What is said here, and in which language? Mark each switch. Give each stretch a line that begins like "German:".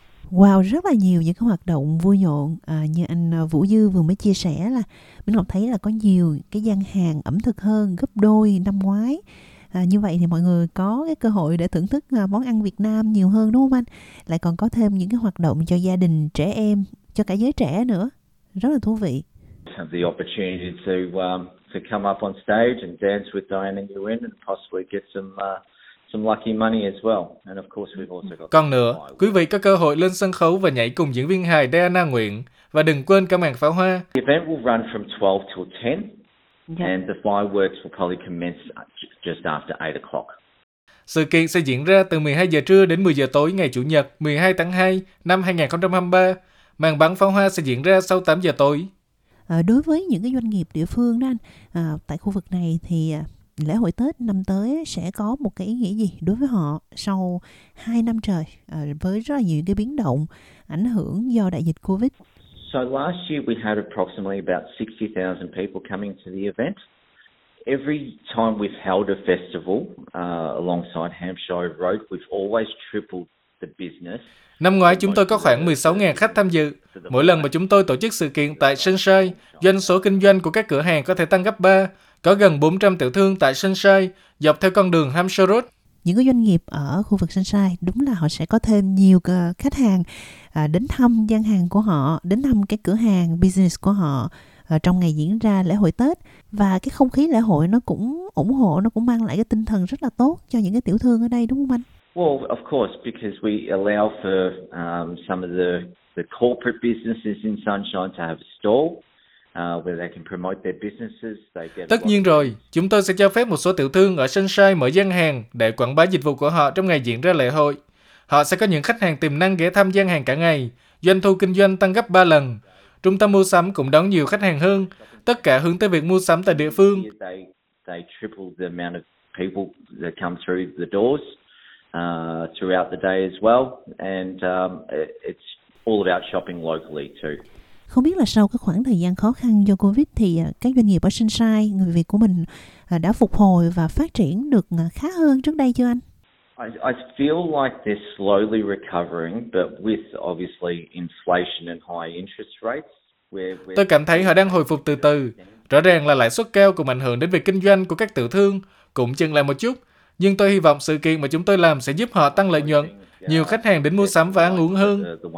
Vietnamese: Wow, rất là nhiều những cái hoạt động vui nhộn như anh Vũ Dư vừa mới chia sẻ, là mình còn thấy là có nhiều cái gian hàng ẩm thực hơn gấp đôi năm ngoái. Như vậy thì mọi người có cái cơ hội để thưởng thức món ăn Việt Nam nhiều hơn đúng không anh? Lại còn có thêm những cái hoạt động cho gia đình, trẻ em, cho cả giới trẻ nữa, rất là thú vị.
English: The opportunity to come up on stage and dance with Diana Nguyen and possibly get some lucky money as well. And of course we've also got.
Vietnamese: Còn nữa, quý vị có cơ hội lên sân khấu và nhảy cùng diễn viên hài Diana Nguyễn, và đừng quên cả màn pháo hoa.
English: The event will run from 12 till 10, yeah. And the fireworks will probably commence just after 8 o'clock.
Vietnamese: Sự kiện sẽ diễn ra từ 12 giờ trưa đến 10 giờ tối ngày Chủ nhật 12 tháng 2 năm 2023. Màn bắn pháo hoa sẽ diễn ra sau 8 giờ tối. Đối với những cái doanh nghiệp địa phương đó anh, tại khu vực này thì lễ hội Tết năm tới sẽ có một cái ý nghĩa gì đối với họ sau 2 năm trời với rất là nhiều cái biến động ảnh hưởng do đại dịch COVID?
English: So last year we had approximately about 60,000 people coming to the event. Every time we've held a festival alongside Hampshire Road, we've always tripled.
Vietnamese: Năm ngoái chúng tôi có khoảng 16.000 khách tham dự. Mỗi lần mà chúng tôi tổ chức sự kiện tại Sunshine, doanh số kinh doanh của các cửa hàng có thể tăng gấp 3. Có gần 400 tiểu thương tại Sunshine dọc theo con đường Hampshire Road. Những cái doanh nghiệp ở khu vực Sunshine đúng là họ sẽ có thêm nhiều khách hàng đến thăm gian hàng của họ, đến thăm cái cửa hàng business của họ trong ngày diễn ra lễ hội Tết. Và cái không khí lễ hội nó cũng ủng hộ, nó cũng mang lại cái tinh thần rất là tốt cho những cái tiểu thương ở đây đúng không anh?
English: Well, of course, because we allow for some of the corporate businesses in Sunshine to have a stall where they can promote their businesses. They get.
Vietnamese: Tất nhiên rồi, chúng tôi sẽ cho phép một số tiểu thương ở Sunshine mở gian hàng để quảng bá dịch vụ của họ trong ngày diễn ra lễ hội. Họ sẽ có những khách hàng tiềm năng ghé thăm gian hàng cả ngày, doanh thu kinh doanh tăng gấp 3 lần. Trung tâm mua sắm cũng đón nhiều khách hàng hơn, tất cả hướng tới việc mua sắm tại địa phương.
English: They triple the amount of people that come through the doors. Throughout the day as well, and it's all about shopping locally too.
Vietnamese: Không biết là sau cái khoảng thời gian khó khăn do COVID thì các doanh nghiệp ở Sunshine, người Việt của mình đã phục hồi và phát triển được khá hơn trước đây chưa anh?
English: I feel like they're slowly recovering, but with obviously inflation and high interest rates.
Vietnamese: Tôi cảm thấy họ đang hồi phục từ từ. Rõ ràng là lãi suất cao cũng ảnh hưởng đến việc kinh doanh của các tiểu thương, cũng chừng lại một chút. Nhưng tôi hy vọng sự kiện mà chúng tôi làm sẽ giúp họ tăng lợi nhuận, nhiều khách hàng đến mua sắm và ăn uống hơn.